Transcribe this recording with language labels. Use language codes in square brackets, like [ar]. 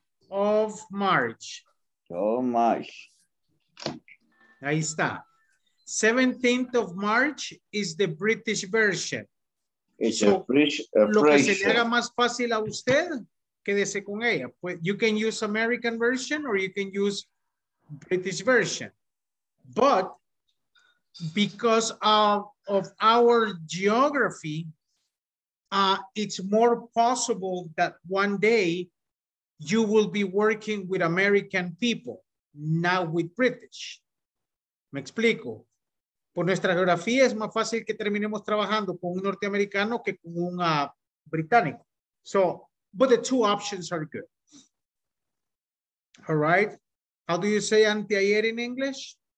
[en] Of March. Oh, March. [es] Ahí está. [en] 17th of March is the British version. It's so, a British [es] lo que se le haga más fácil a usted, quédese con ella. [en] You can use American version or you can use British version. But because of our geography, it's more possible that one day you will be working with American people, not with British. [es] Me explico. Por nuestra geografía es más fácil que terminemos trabajando con un norteamericano que con un británico. [en] So, but the two options are good. All right. How do you say anteayer in English?